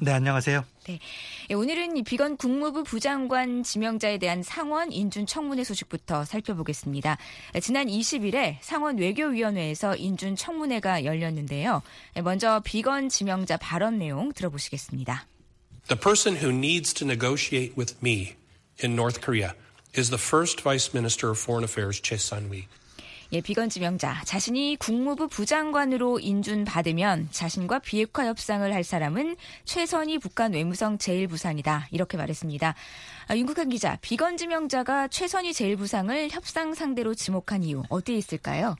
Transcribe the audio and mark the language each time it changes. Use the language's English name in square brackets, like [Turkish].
[Korean] 네, 안녕하세요. 네, 오늘은 비건 국무부 부장관 지명자에 대한 상원 인준 청문회 소식부터 살펴보겠습니다. 지난 20일에 상원 외교위원회에서 인준 청문회가 열렸는데요. 먼저 비건 지명자 발언 내용 들어보시겠습니다. [English] The person who needs to negotiate with me in North Korea is the first Vice Minister of Foreign Affairs, Choi Sun-wi. [Korean] 예, 비건 지명자, 자신이 국무부 부장관으로 인준받으면 자신과 비핵화 협상을 할 사람은 최선희 북한 외무성 제1부상이다, 이렇게 말했습니다. 아, 윤국한 기자, 비건 지명자가 최선희 제1부상을 협상 상대로 지목한 이유 어디에 있을까요?